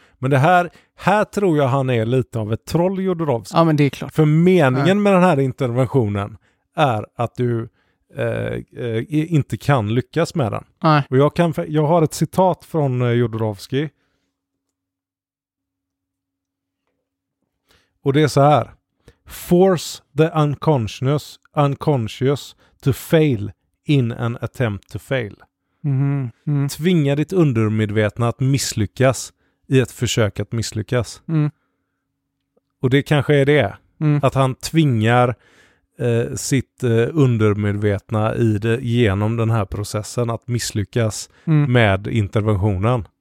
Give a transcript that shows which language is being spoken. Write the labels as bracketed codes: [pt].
[sv] Men det här tror jag han är lite av ett troll, Jodorowsky. Ja, men det är klart. För meningen med den här interventionen är att du inte kan lyckas med den. Nej. Och jag har ett citat från Jodorowsky. Och det är så här. [en] Force the unconscious to fail in an attempt to fail. Mm-hmm. Mm. [sv] Tvinga ditt undermedvetna att misslyckas i ett försök att misslyckas. Mm. Och det kanske är det. Mm. Att han tvingar sitt undermedvetna i det, genom den här processen att misslyckas med interventionen.